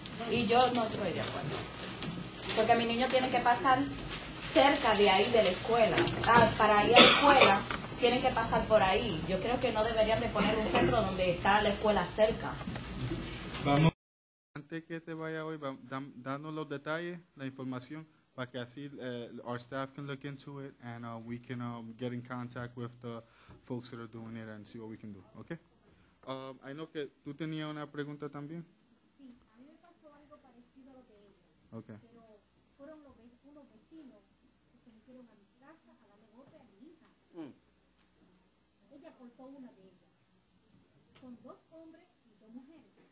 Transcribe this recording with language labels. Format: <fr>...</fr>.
<es>Y yo no estoy de acuerdo. Porque mi niño tiene que pasar cerca de ahí, de la escuela. Para ir a la escuela tienen que pasar por ahí. Yo creo que no deberían de poner un centro donde está la escuela cerca. Vamos, antes que te vaya hoy, danos los detalles, la información.</es> <en>Like I see, our staff can look into it, and we can get in contact with the folks that are doing it and see what we can do. Okay? I know</en> <es>que tú tenías una pregunta también. Sí, a mí me pasó algo parecido a lo que ellos.</es> <en>Okay.</en> <es>Pero fueron unos vecinos que se metieron a mi casa a darle golpe a mi hija. Mm. Ella cortó una de ellas. Son dos hombres y dos mujeres.</es>